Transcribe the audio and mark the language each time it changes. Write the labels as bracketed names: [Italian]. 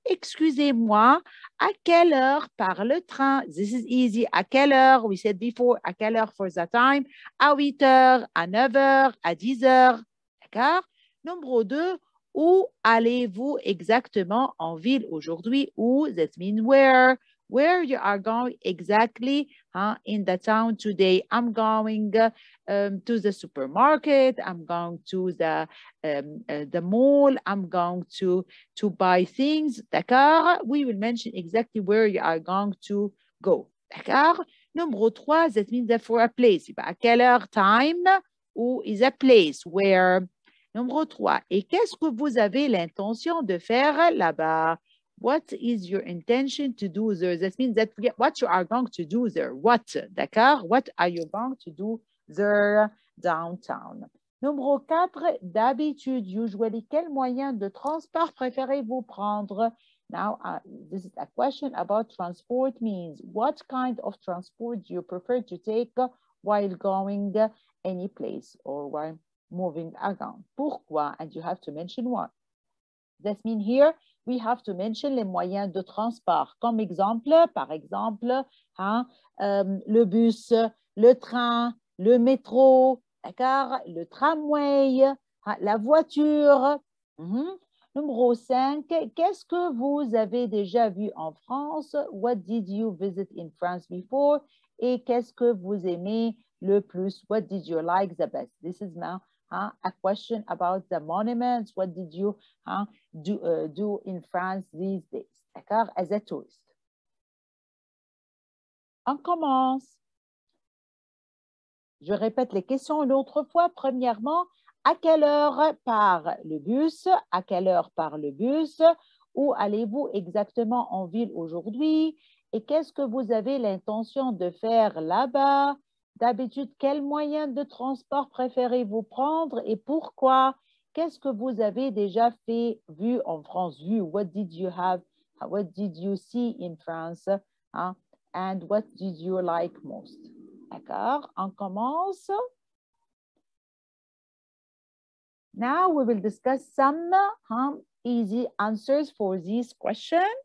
[French] Excusez-moi, à quelle heure part le train? [English] This is easy. [French] À quelle heure? [English] We said before, à quelle heure for the time? [French] À 8 heures, à 9 heures, à 10 heures. D'accord? Numéro 2, où allez-vous exactement en ville aujourd'hui? [English] Où? That means where? Where you are going exactly in the town today? I'm going to the supermarket, I'm going to the mall, I'm going to buy things, d'accord? We will mention exactly where you are going to go, d'accord? Numéro 3, that means that for a place, [French] à quelle heure, [English] time, où is a place, where? [French] Numéro 3, et qu'est-ce que vous avez l'intention de faire là-bas? [English] What is your intention to do there? That means that what you are going to do there. What, d'accord? What are you going to do there downtown? [French] Numéro 4, d'habitude, usually, quel moyen de transport préférez-vous prendre? [English] Now, this is a question about transport means. What kind of transport do you prefer to take while going any place or while moving around? Pourquoi? And you have to mention what. That means here, we have to mention [French] les moyens de transport. Comme exemple, par exemple, le bus, le train, le métro, d'accord, le tramway, la voiture. Mm-hmm. Numéro 5, qu'est-ce que vous avez déjà vu en France? [English] What did you visit in France before? [French] Et qu'est-ce que vous aimez le plus? [English] What did you like the best? This is now a question about the monuments. What did you do in France these days? D'accord? As a tourist. [French] On commence. Je répète les questions une autre fois. Premièrement, à quelle heure part le bus? À quelle heure part le bus? Où allez-vous exactement en ville aujourd'hui? Et qu'est-ce que vous avez l'intention de faire là-bas? D'habitude, quel moyen de transport préférez-vous prendre et pourquoi? Qu'est-ce que vous avez déjà fait, vu en France? [English] Vu, what did you have, what did you see in France? And what did you like most? [French] D'accord, on commence. [English] Now we will discuss some easy answers for this question.